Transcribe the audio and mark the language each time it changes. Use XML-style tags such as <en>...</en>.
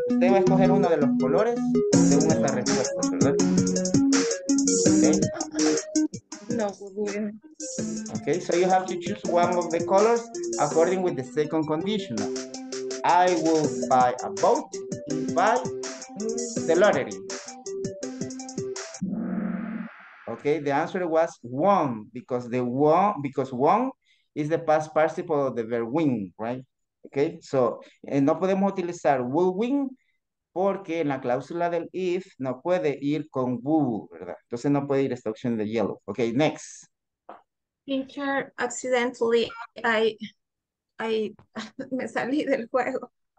<es>Usted va a escoger uno de los colores según esta respuesta, ¿verdad?</es> <en>Okay. No, will win. Okay, so you have to choose one of the colors according with the second conditional. I will buy a boat if I the lottery. Okay, the answer was won, because the won is the past participle of the verb win, right? Okay, so</en> <es>no podemos utilizar will win porque en la cláusula del if no puede ir con will, ¿verdad? Entonces no puede ir esta opción de yellow.</es> <en>Okay, next. Teacher, accidentally, I</en> <es>me salí del juego.</es>